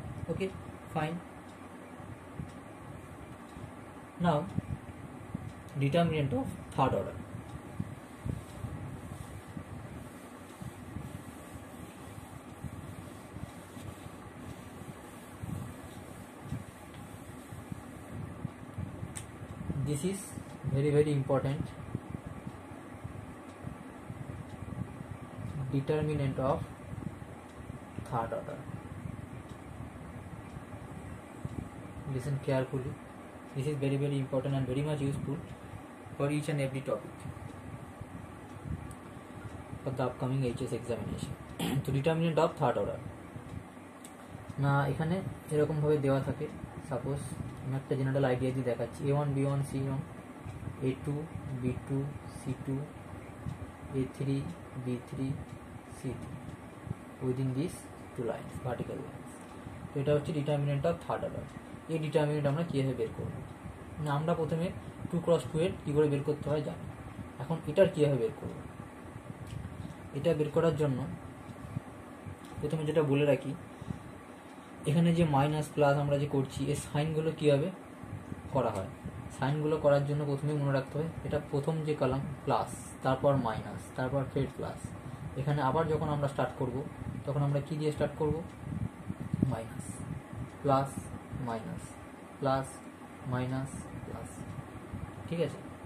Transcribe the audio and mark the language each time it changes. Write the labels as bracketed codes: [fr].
[en] Okay fine, now determinant of third order, this is very very important, determinant of third order, listen carefully. This is very, very important and very much useful for each and every topic for the upcoming HS examination. So, determinant of third order. [bn] Now, এখানে এরকম ভাবে দেওয়া থাকে. Suppose আমি একটা general idea দিয়ে দেখাচ্ছি. [en] A1, B1, C1, A2, B2, C2, A3, B3, C3. Within these two lines, vertical lines. [bn] তো এটা হচ্ছে [en] determinant of third order. [bn] এই determinant আমরা কিভাবে বের করব? না আমরা প্রথমে 2 cross 2 এর কি করে বের করতে হয় জানি. এখন এটার কিভাবে বের করব? এটা বের করার জন্য প্রথমে যেটা বলে রাখি এখানে যে মাইনাস প্লাস আমরা যে করছি এই সাইনগুলো কিভাবে করা হয় সাইনগুলো করার জন্য প্রথমে মনে রাখতে হয় এটা প্রথম যে কলাম প্লাস তারপর মাইনাস তারপর ফেড প্লাস এখানে আবার যখন আমরা স্টার্ট করব তখন আমরা কি দিয়ে স্টার্ট করব minus plus minus plus minus plus ঠিক আছে